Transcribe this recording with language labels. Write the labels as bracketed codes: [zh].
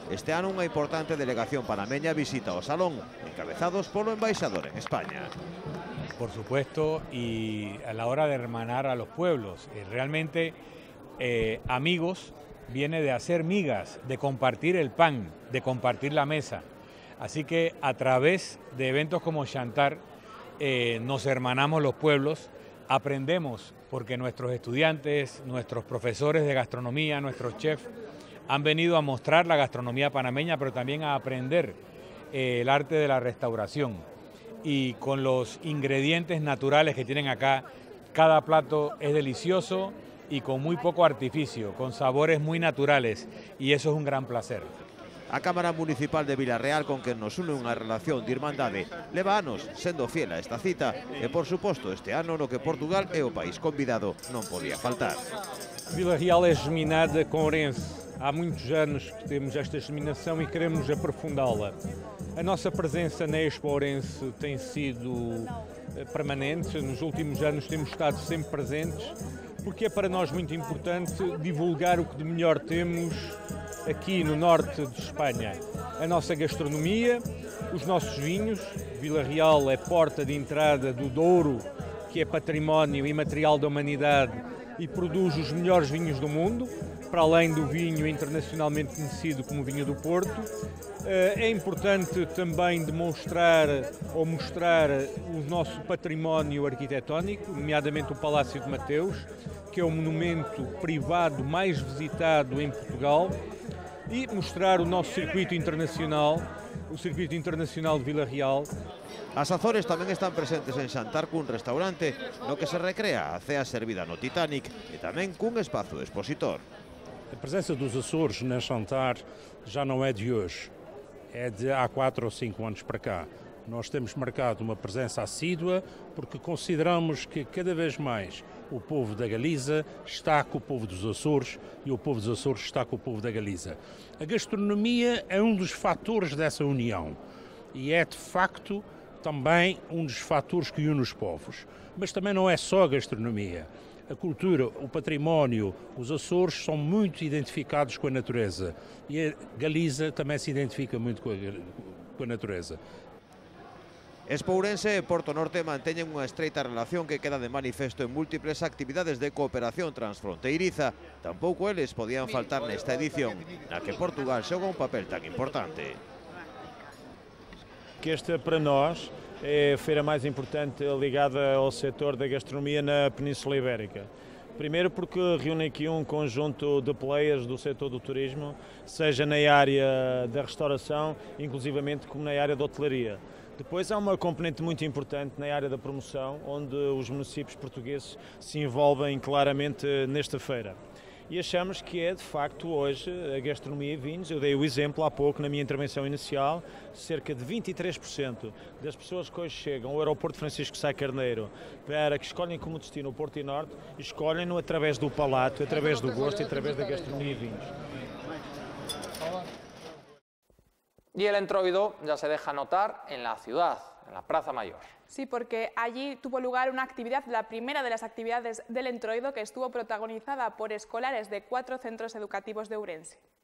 [gl] Este ano unha importante delegación panameña visita o salón, encabezados polo embaixador en España. [es] Por supuesto, y a la hora de hermanar a los pueblos, realmente amigos viene de hacer migas, de compartir el pan, de compartir la mesa. Así que a través de eventos como Xantar nos hermanamos los pueblos, aprendemos porque nuestros estudiantes, nuestros profesores de gastronomía, nuestros chefs han venido a mostrar la gastronomía panameña, pero también a aprender el arte de la restauración. Y con los ingredientes naturales que tienen acá, cada plato es delicioso y con muy poco artificio, con sabores muy naturales, y eso es un gran placer. [gl] A Cámara Municipal de Vilarreal, con quen nos une unha relación de irmandade, leva anos sendo fiel a esta cita e, por suposto, este ano no que Portugal é o país convidado non podía faltar. [pt] Vilarreal é geminada con Ourense. Há muitos anos que temos esta geminação e queremos aprofundá-la. A nossa presença na Expo Ourense tem sido permanente. Nos últimos anos temos estado sempre presentes, porque é para nós muito importante divulgar o que de melhor temos aqui no norte de Espanha, a nossa gastronomia, os nossos vinhos. Vilarreal é porta de entrada do Douro, que é património imaterial da humanidade e produz os melhores vinhos do mundo, para além do vinho internacionalmente conhecido como vinho do Porto. É importante também demonstrar ou mostrar o nosso património arquitetónico, nomeadamente o Palácio de Mateus, que é o monumento privado mais visitado em Portugal, e mostrar o nosso circuito internacional, o circuito internacional de Vilarreal. [gl] As Azores tamén están presentes en Xantar cun restaurante, no que se recrea a cea servida no Titanic e tamén cun espazo expositor. [pt] A presença dos Açores na Xantar já não é de hoje, é de há 4 ou 5 anos para cá. Nós temos marcado uma presença assídua porque consideramos que cada vez mais o povo da Galiza está com o povo dos Açores e o povo dos Açores está com o povo da Galiza. A gastronomia é um dos fatores dessa união e é, de facto, também um dos fatores que une os povos. Mas também não é só a gastronomia. A cultura, o património, os Açores são muito identificados com a natureza e a Galiza também se identifica muito com a natureza. [gl] Expo Ourense e Porto Norte manteñen unha estreita relación que queda de manifesto en múltiples actividades de cooperación transfronteiriza. Tampouco eles podían faltar nesta edición, na que Portugal xoga un papel tan importante. Que esta para nós é a feira máis importante ligada ao sector da gastronomía na Península Ibérica. [pt] Primeiro porque reúne aqui um conjunto de players do setor do turismo, seja na área da restauração, inclusivamente como na área da hotelaria. Depois há uma componente muito importante na área da promoção, onde os municípios portugueses se envolvem claramente nesta feira. E achamos que é, de facto, hoje, a gastronomia e vinhos. Eu dei o exemplo há pouco na minha intervenção inicial, cerca de 23% das pessoas que hoje chegam ao aeroporto Francisco Sá Carneiro para que escolhem como destino o Porto e Norte, escolhem-no através do palato, através do gosto e através da gastronomia e vinhos. [es] Y el entroido ya se deja notar en la ciudad, en la Plaza Mayor. Sí, porque allí tuvo lugar una actividad, la primera de las actividades del entroido, que estuvo protagonizada por escolares de 4 centros educativos de Ourense.